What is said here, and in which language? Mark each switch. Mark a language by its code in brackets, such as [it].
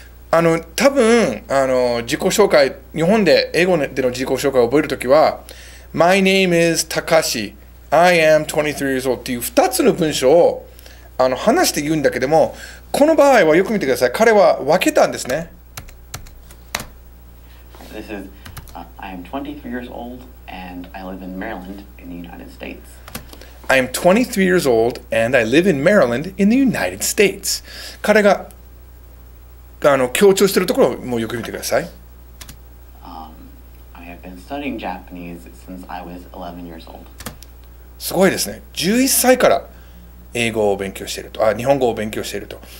[ja] 多分自己紹介、日本で英語での自己紹介を覚えるときは、 [en] My name is Takashi. I am 23 years old. [ja] っていう2つの文章を話して言うんだけども、この場合はよく見てください。彼は分けたんですね。 [en] This is, I am 23 years old and I live in Maryland in the United States. I am 23 years old and I live in Maryland in the United States. [ja] 彼が強調してるところもよく見てください。 [en] I have been studying Japanese since I was 11 years old. [ja] すごいですね。 11歳から英語を勉強していると、日本語を勉強していると。